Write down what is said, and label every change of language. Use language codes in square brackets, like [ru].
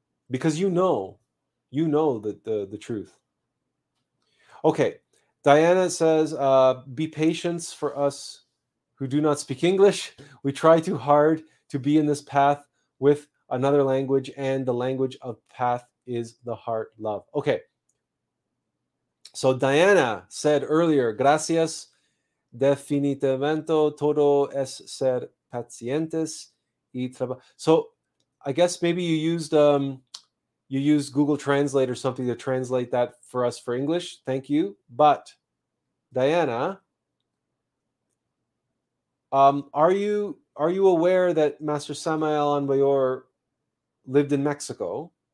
[en] Because you know the truth. Okay. Diana says, be patient for us who do not speak English. We try too hard to be in this path with another language, and the language of path is the heart love. Okay. So Diana said earlier, [es] gracias, definitivamente todo es ser pacientes y trabajo. [en] So I guess maybe you used Google Translate or something to translate that for us for English. Thank you. But Diana, are you aware that Master Samael Anbayor lived in Mexico?